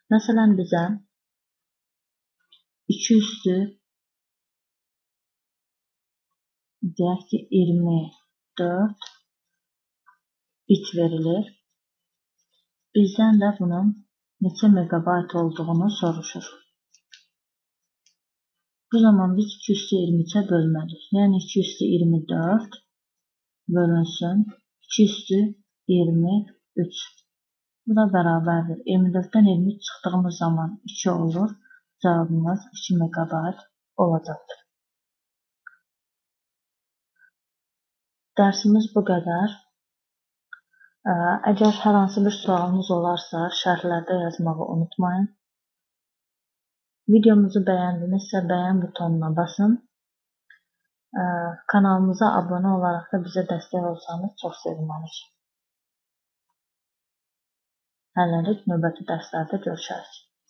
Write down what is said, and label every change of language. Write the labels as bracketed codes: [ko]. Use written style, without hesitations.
[az] Məsələn, bizə 2 üstü deyək ki 24 bit verilir. Bizdən də bunun neçə megabayt olduğunu soruşur. Bu zaman biz 2 üstü 23-ə bölməliyik. Yəni 2 üstü 24 bölünsün 2 üstü 23. Bu da bərabərdir. 24-dən 23 çıxdığımız zaman 2 olur. Cavabımız 2 megabayt olacaqdır. Dərsimiz bu qədər. Əgər hər hansı bir sualınız olarsa, şərhlərdə yazmağı unutmayın. Videomuzu bəyəndinizsə, bəyən butonuna basın. [tr] Kanalımıza abone olarak da bize destek olsanız çok sevinirim. [az] Hələlik növbəti dərslərdə görüşərik.